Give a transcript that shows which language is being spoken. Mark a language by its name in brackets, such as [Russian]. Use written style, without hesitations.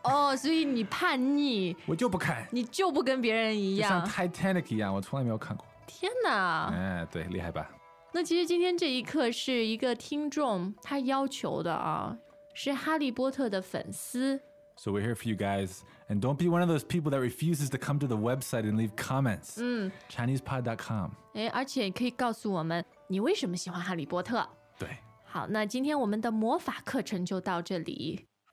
[Chinese] 哦，所以你叛逆。我就不看。你就不跟别人一样。就像 Titanic 一样，我从来没有看过。天哪。哎，对，厉害吧。那其实今天这一课是一个听众他要求的啊，是哈利波特的粉丝。 [English] So we're here for you guys. And don't be one of those people that refuses to come to the website and leave comments. ChinesePod.com. [Chinese] 而且可以告诉我们你为什么喜欢哈利波特。对，好，那今天我们的魔法课程就到这里。